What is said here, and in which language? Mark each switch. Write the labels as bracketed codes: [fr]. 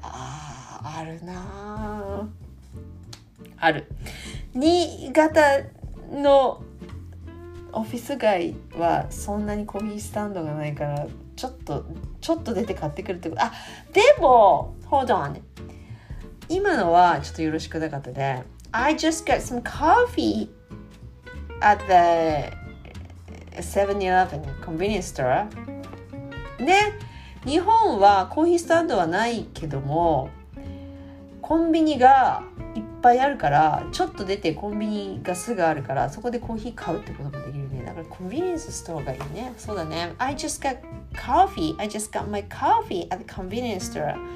[ja] あー、あるなー。ある。新潟のオフィス街はそんなにコーヒースタンドがないから、ちょっと出て買ってくるってこと。あ、でも、 [en] hold on. [ja] 今のはちょっとよろしくなかったで。 [en] I just got some coffee at the 7-Eleven convenience store. [ja] ね、日本はコーヒースタンドはないけどもコンビニがいっぱいあるから、ちょっと出てコンビニがすぐあるからそこでコーヒー買うってこともできるね。だからコンビニエンスストアがいいね。そうだね。 [en] I just got my coffee at the convenience store.